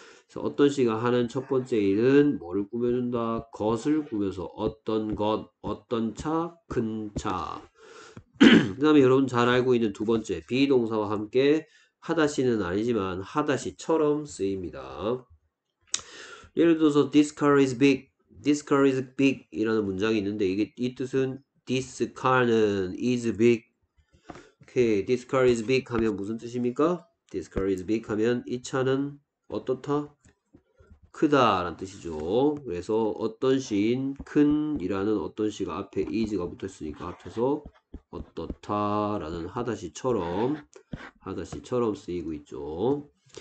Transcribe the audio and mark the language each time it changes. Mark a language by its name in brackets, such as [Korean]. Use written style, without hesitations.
[Korean] 그래서 어떤 시가 하는 첫 번째 일은 뭐를 꾸며준다? 것을 꾸며서 어떤 것, 어떤 차, 큰 차. 그 다음에 여러분 잘 알고 있는 두 번째 비동사와 함께 하다시는 아니지만 하다시처럼 쓰입니다. 예를 들어서 [English] this car is big, [Korean] this car is big 이라는 문장이 있는데 이게 이 뜻은 this car는 is big. 오케이, [English] this car is big [Korean] 하면 무슨 뜻입니까? this car is big 하면 이 차는 어떻다? 크다 라는 뜻이죠. 그래서 어떤 시인 큰 이라는 어떤 시가 앞에 is가 붙었으니까 앞에서 어떻다 라는 하다시처럼 쓰이고 있죠.